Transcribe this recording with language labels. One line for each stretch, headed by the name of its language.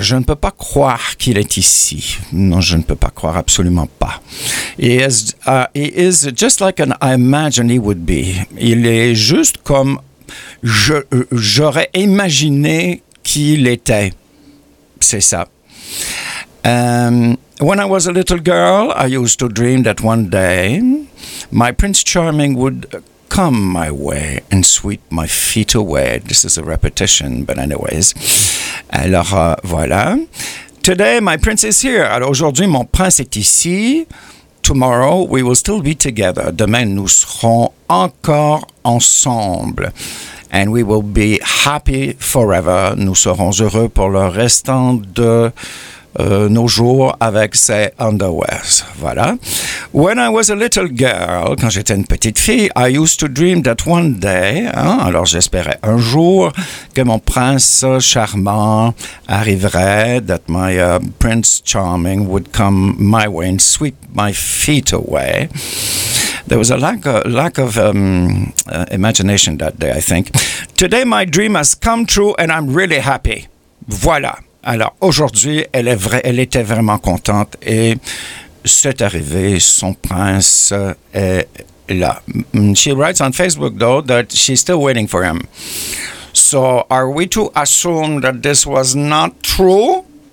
French: Je ne peux pas croire qu'il est ici. Non, je ne peux pas croire absolument pas.
English: He is just like an, I imagine he would be.
French: Il est juste comme j'aurais imaginé qu'il était. C'est ça.
English: When I was a little girl, I used to dream that one day my Prince Charming would come my way and sweep my feet away. This is a repetition, but anyways.
French: Alors, voilà.
English: Today, my prince is here.
French: Alors, aujourd'hui, mon prince est ici.
English: Tomorrow, we will still be together.
French: Demain, nous serons encore ensemble.
English: And we will be happy forever.
French: Nous serons heureux pour le restant de nos jours avec ses underwears. Voilà.
English: When I was a little girl,
French: quand j'étais une petite fille,
English: I used to dream that one day,
French: hein, alors j'espérais un jour que mon prince charmant arriverait,
English: that my prince charming would come my way and sweep my feet away. There was a lack of imagination that day, I think. Today my dream has come true and I'm really happy.
French: Voilà. Alors, aujourd'hui, elle était vraiment contente et c'est arrivé, son prince est là.
English: She writes on Facebook, though, that she's still waiting for him. So, are we to assume that this was not true?